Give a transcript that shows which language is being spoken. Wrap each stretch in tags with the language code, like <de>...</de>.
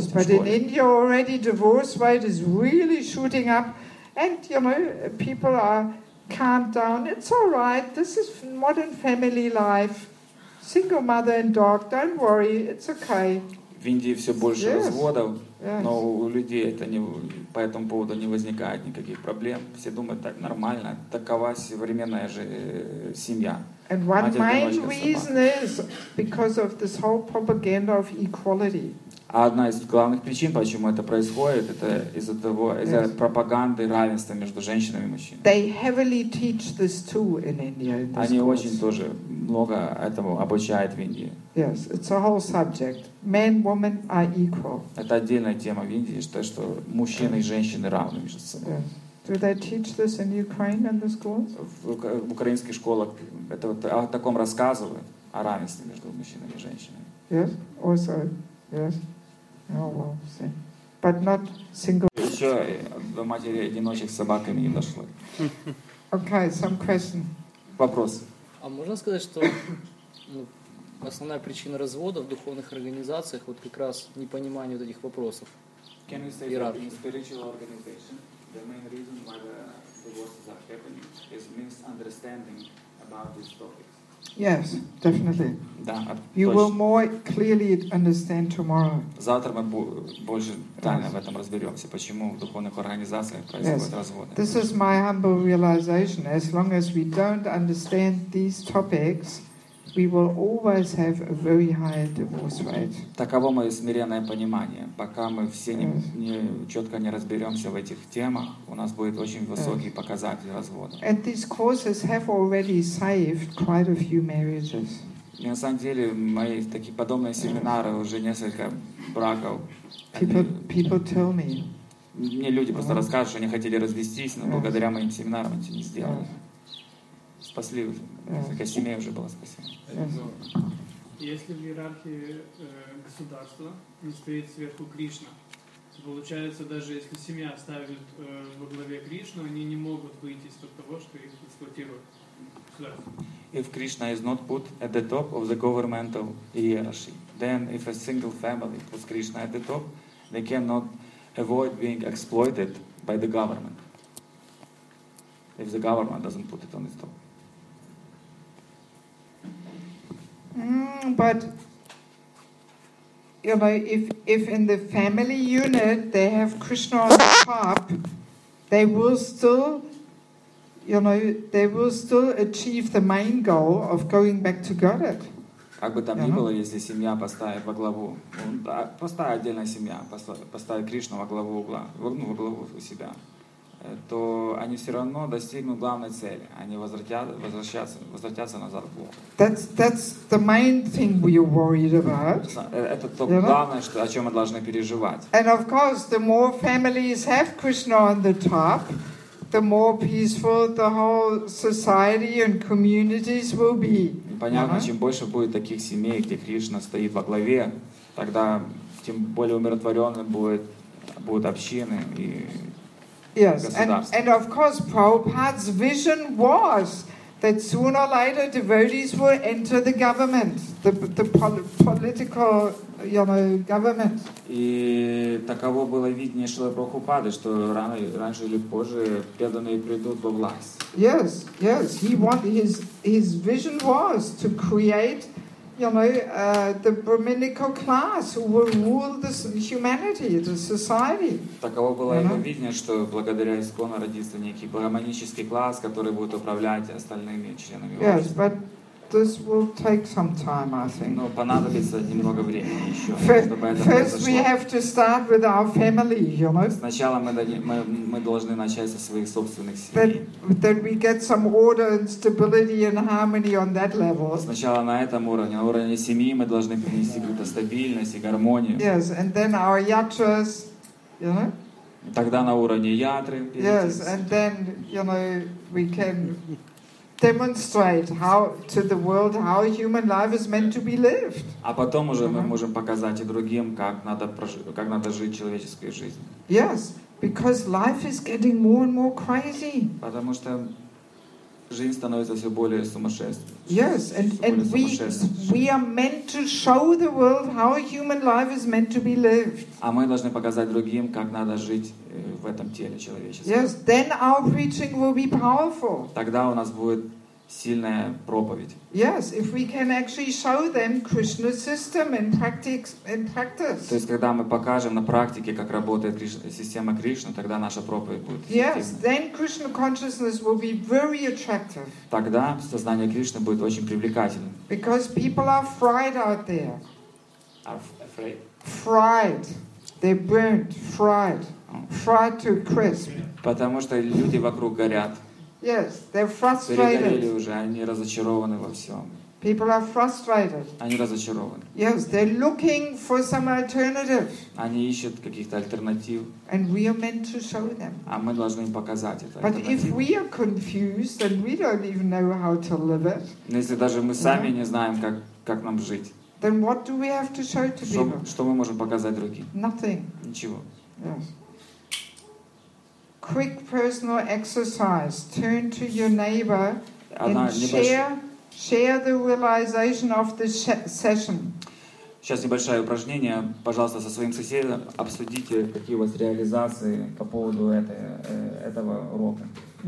<en>Yes, but in India already divorce rate is really shooting up, and you know people are calmed down. It's all right. This is modern family life. Single mother and dog, don't worry, it's okay.</en> <ru>В Индии все больше разводов, но у людей это не, по этому поводу не возникает никаких проблем. Все думают, так нормально, такова современная же семья.</ru> <en>And one main reason is because of this whole propaganda of equality.</en> <ru>А одна из главных причин, почему это происходит, это из-за того, из-за пропаганды равенства между женщинами и мужчинами.</ru> <en>They heavily teach this too in India.</en> <ru>Они очень тоже много этому обучают в Индии.</ru> <en>Yes, it's a whole subject. Men, women are equal.</en> <ru>Это отдельная тема в Индии, что мужчины и женщины равны между собой.</ru> <en>Do they teach this in Ukraine in the schools?</en> <ru>В украинских школах это вот о таком рассказывают, о равенстве между мужчинами и женщинами.</ru> <en>Yes, also. Yes. Oh well, see. But not single.</en> <ru>Еще до матери одиночек с собаками не дошло.</ru> <en>Okay, some question.</en> <ru>Вопрос. А можно сказать, что основная причина развода в духовных организациях вот как раз непонимание вот этих вопросов?</ru> <en>Can we say that in spiritual organization the main reason why the divorces are happening is misunderstanding about these topics? Yes, definitely.</en> <ru>Да,</ru> <en>you</en> <ru>точно.</ru> <en>Will more clearly understand tomorrow.</en> <ru>Завтра мы больше тайно в этом разберемся, почему в духовных организациях происходят разводы.</ru> <en>This is my humble realization. As long as we don't understand these topics, we will always have a very high divorce rate.</en> <ru>Таково мое смиренное понимание. Пока мы все четко не разберемся в этих темах, у нас будет очень высокий показатель развода.</ru> <en>And these courses have already saved quite a few marriages.</en> <ru>И на самом деле, мои такие подобные семинары уже несколько браков.</ru> <en>People tell me.</en> <ru>Мне люди просто рассказывают, что они хотели развестись, но благодаря моим семинарам эти не сделали. Спасли уже. Такая семья уже была спасена. Если в иерархии государства не стоит сверху Кришна, получается, даже если семья ставит во главе Кришну, они не могут выйти из-под того, что их эксплуатируют.</ru> <en>If Krishna is not put at the top of the governmental hierarchy, then if a single family puts Krishna at the top, they cannot avoid being exploited by the government. If the government doesn't put it on its top. But you know, if in the family unit they have Krishna on the top, they will still, you know, they will still achieve the main goal of going back to Godhead.</en> <ru>Как бы там ни было, если семья поставит во главу, поставит отдельная семья, поставит Кришну во главу угла, во главу у себя, то они все равно достигнут главной цели. Они возвратятся назад к Богу.</ru> <en>That's the main thing we're worried about.</en> <ru>Это то главное, о чем мы должны переживать.</ru> <en>And of course, the more families have Krishna on the top, the more peaceful the whole society and communities will be.</en> <ru>Понятно, чем больше будет таких семей, где Кришна стоит во главе, тогда тем более умиротворенным будут общины и государство.</ru> <en>And of course, Prabhupada's vision was that sooner or later devotees will enter the government, the political, you know, government.</en> <ru>И таково было видение Шрилы Прабхупады, что раньше или позже преданные придут во власть.</ru> <en>Yes, yes. He want his vision was to create, you know, the brahminical class who will rule this humanity, the society.</en> <ru>Таково было его видение, что благодаря искону родится некий брахманический класс, который будет управлять остальными членами власти.</ru> <en>Yes, but this will take some time, I think.</en> <ru>Но понадобится немного времени еще, чтобы это произошло.</ru> <en>First, we have to start with our family, you know.</en> <ru>Сначала мы должны начать со своих собственных семей.</ru> <en>Then we get some order and stability and harmony on that level.</en> <ru>Сначала на этом уровне, на уровне семьи, мы должны принести какую-то стабильность и гармонию.</ru> <en>Yes, and then our yatras, you know.</en> <ru>Тогда на уровне ятры.</ru> <en>Yes, and then, you know, we can demonstrate how to the world how human life is meant to be lived.</en> <ru>А потом уже мы можем показать и другим, как надо жить человеческой жизнью.</ru> <en>Yes, because life is getting more and more crazy.</en> <ru>Потому что жизнь становится все более сумасшедшей.</ru> <en>Yes, and we are meant to show the world how human life is meant to be lived.</en> <ru>А мы должны показать другим, как надо жить в этом теле человеческом.</ru> <en>Yes, then our preaching will be powerful.</en> <ru>Тогда у нас будет сильная проповедь.</ru> <en>Yes, if we can actually show them Krishna's system in practice.</en> <ru>То есть когда мы покажем на практике, как работает система Кришны, тогда наша проповедь будет эффективна.</ru> <en>Yes, then Krishna consciousness will be very attractive.</en> <ru>Тогда сознание Кришны будет очень привлекательным.</ru> <en>Because people are fried out there. Afraid. Fried. They're burnt, fried. Fried to crisp.</en> <ru>Потому что люди вокруг горят.</ru> <en>Yes, they're frustrated.</en> <ru>Перегорели уже, они разочарованы во всем.</ru> <en>People are frustrated.</en> <ru>Они разочарованы.</ru> <en>Yes, they're looking for some alternative.</en> <ru>Они ищут каких-то альтернатив.</ru> <en>And we are meant to show them.</en> <ru>А мы должны им показать это.</ru> <en>But if we are confused and we don't even know how to live it.</en> <ru>Но если даже мы сами не знаем, как нам жить.</ru> <en>Then what do we have to show to people?</en> <ru>Что мы можем показать другим?</ru> <en>Nothing.</en> <ru>Ничего.</ru> <en>Yes. Quick personal exercise. Turn to your neighbor and share the realization of the session.</en> <ru>Сейчас небольшое упражнение. Пожалуйста, со своим соседом обсудите, какие у вас реализации по поводу этого урока.</ru>